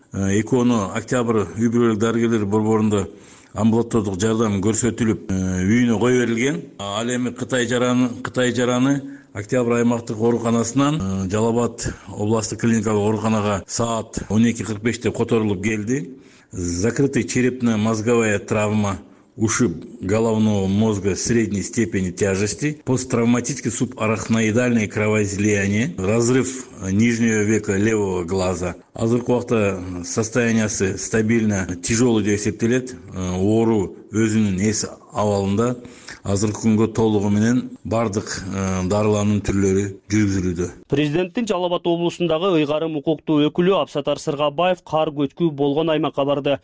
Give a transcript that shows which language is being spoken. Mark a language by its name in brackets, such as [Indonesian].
[Kyrgyz] Экөөнө октябрь үй-бүлөлүк дарыгерлер борборунда амбулаториялык жардам көрсөтүлүп, үйүнө кое берилген. Ал эми Кытай жараны Октябрь аймактык ооруканасынан Жалал Абад областтык клиникалык ооруканага саат 12:45 которулуп келди. [Russian] Закрытый черепно-мозговая травма, ушиб головного мозга средней степени тяжести, посттравматическое субарахноидальное кровоизлияние, разрыв нижнего века левого глаза. [Kyrgyz] Азыркы убакта состояниясы [Russian] стабильно, тяжелый [Kyrgyz] деп эсептелет. Оору өзүнүн эс абалында. Азыркы күнгө толугу менен бардык дарылануу түрлөрү жүргүзүлүүдө. Президенттин Жалал Абад облусундагы ыйгарым укуктуу өкүлү Абсатар Сыргабаев кар көчкү болгон аймакка барды.